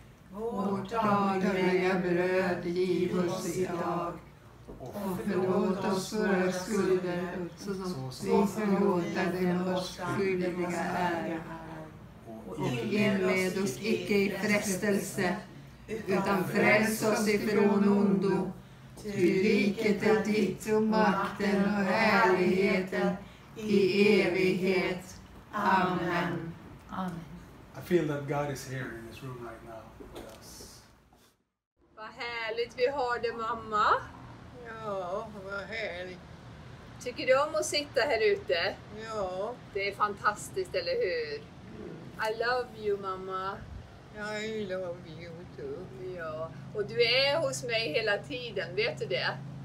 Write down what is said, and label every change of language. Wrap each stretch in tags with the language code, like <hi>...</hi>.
<sv>Vårt dagliga bröd giv oss idag, och förlåt oss våra skulder, så som vi förlåter dem oss skyldiga ära. Och inled oss icke i frestelse, utan fräls oss ifrån ondo. Ty riket är ditt, och makten och härligheten i evighet. Amen.</sv> <en>I feel that God is here in this room right now with us.</en> <sv>Vad härligt vi har det, mamma. Ja, vad härligt. Tycker du om att sitta här ute? Ja. Det är fantastiskt, eller hur?</sv> <en>I love you, mamma. I love you too.</en> <sv>Ja, och du är hos mig hela tiden, vet du det?</sv>